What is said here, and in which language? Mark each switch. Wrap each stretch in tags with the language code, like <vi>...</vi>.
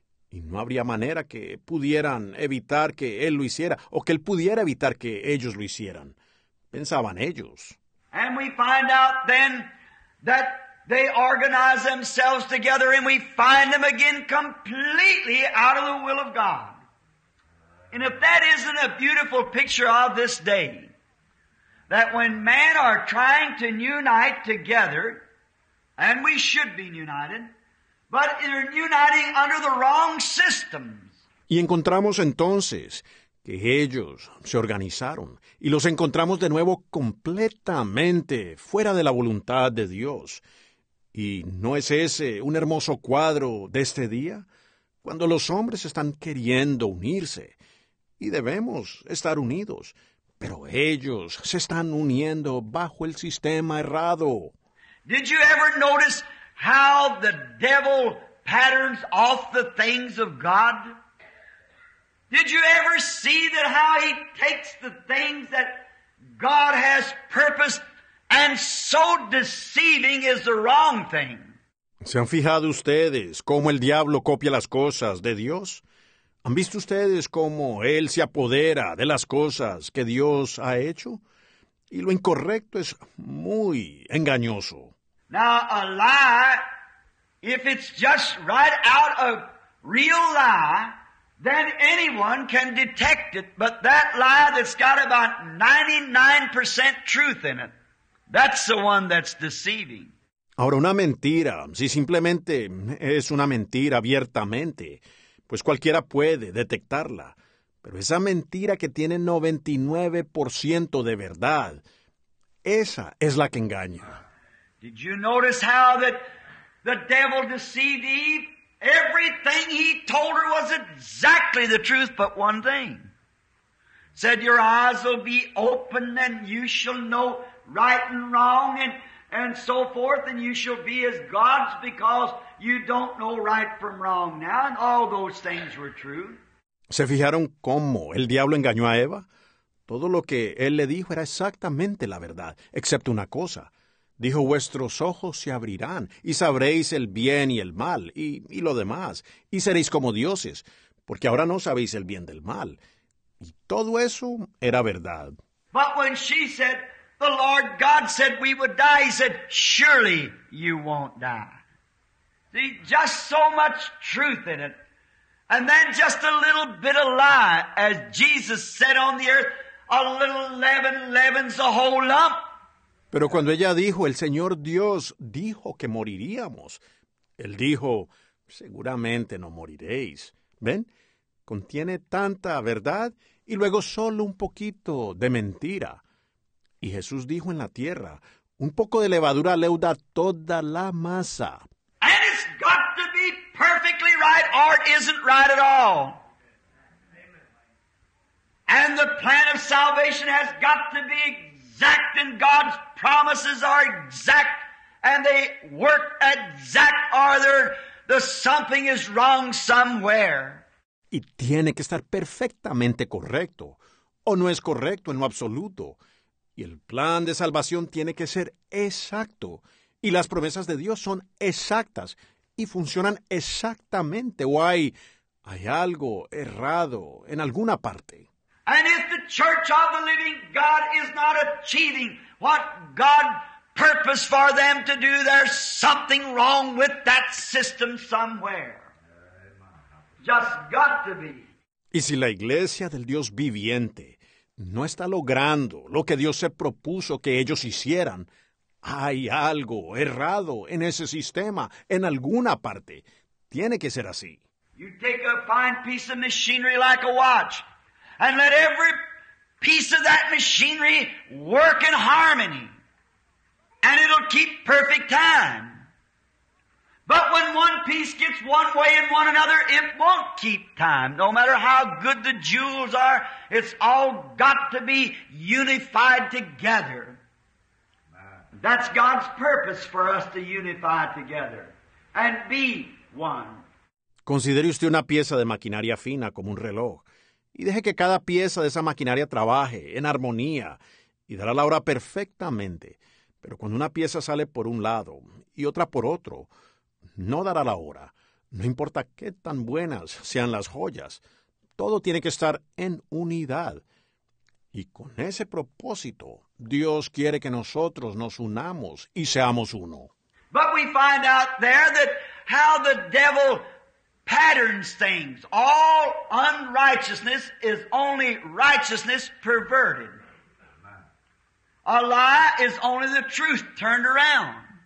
<es>Y no habría manera que pudieran evitar que él lo hiciera o que él pudiera evitar que ellos lo hicieran. Pensaban ellos.</es> <en>And we find out then that they organize themselves together and we find them again completely out of the will of God. And if that isn't a beautiful picture of this day, that when man are trying to unite together, and we should be united, but they're uniting under the wrong systems.</en> <es>Y encontramos entonces que ellos se organizaron y los encontramos de nuevo completamente fuera de la voluntad de Dios. ¿Y no es ese un hermoso cuadro de este día? Cuando los hombres están queriendo unirse y debemos estar unidos, pero ellos se están uniendo bajo el sistema errado.</es> <en>Did you ever notice how the devil patterns off the things of God? Did you ever see that how he takes the things that God has purposed and so deceiving is the wrong thing?</en> <es>¿Se han fijado ustedes cómo el diablo copia las cosas de Dios? ¿Han visto ustedes cómo él se apodera de las cosas que Dios ha hecho? Y lo incorrecto es muy engañoso.</es> <en>Now, a lie, if it's just right out of real lie, then anyone can detect it, but that lie that's got about 99% truth in it, that's the one that's deceiving.</en> <es>Ahora, una mentira, si simplemente es una mentira abiertamente, pues cualquiera puede detectarla. Pero esa mentira que tiene 99% de verdad, esa es la que engaña.</es> <en>Did you notice how that the devil deceived Eve? Everything he told her was exactly the truth, but one thing. Said, your eyes will be open, and you shall know right and wrong, and so forth, and you shall be as gods because you don't know right from wrong now. And all those things were true.</en> <es>¿Se fijaron cómo el diablo engañó a Eva? Todo lo que él le dijo era exactamente la verdad, excepto una cosa. Dijo, vuestros ojos se abrirán, y sabréis el bien y el mal, y lo demás, y seréis como dioses, porque ahora no sabéis el bien del mal. Y todo eso era verdad.</es> <en>But when she said, the Lord God said we would die, he said, surely you won't die. See, just so much truth in it. And then just a little bit of lie, as Jesus said on the earth, a little leaven leavens the whole lump.</en> <es>Pero cuando ella dijo, el Señor Dios dijo que moriríamos, él dijo, seguramente no moriréis. ¿Ven? Contiene tanta verdad y luego solo un poquito de mentira. Y Jesús dijo en la tierra, un poco de levadura leuda toda la masa.</es> <en>And it's got to be perfectly right or it isn't right at all. And the plan of salvation has got to be exact, and God's promises are exact, and they work exact, or the something is wrong somewhere.</en> <es>Y tiene que estar perfectamente correcto, o no es correcto en lo absoluto. Y el plan de salvación tiene que ser exacto, y las promesas de Dios son exactas, y funcionan exactamente, o hay algo errado en alguna parte.</es> <en>And if the church of the living God is not achieving what God purpose for them to do. There's something wrong with that system somewhere. Just got to be.</en> <es>Y si la iglesia del Dios viviente no está logrando lo que Dios se propuso que ellos hicieran, hay algo errado en ese sistema, en alguna parte. Tiene que ser así.</es> <en>You take a fine piece of machinery like a watch and let every piece of that machinery work in harmony and it'll keep perfect time. But when one piece gets one way and one another, it won't keep time. No matter how good the jewels are, it's all got to be unified together. That's God's purpose for us to unify together and be one.</en> <es>Considere usted una pieza de maquinaria fina como un reloj y deje que cada pieza de esa maquinaria trabaje en armonía y dará la hora perfectamente. Pero cuando una pieza sale por un lado y otra por otro, no dará la hora. No importa qué tan buenas sean las joyas, todo tiene que estar en unidad. Y con ese propósito, Dios quiere que nosotros nos unamos y seamos uno.</es> <en>But we find out there that how the devil patterns things. All unrighteousness is only righteousness perverted. A lie is only the truth turned around.</en>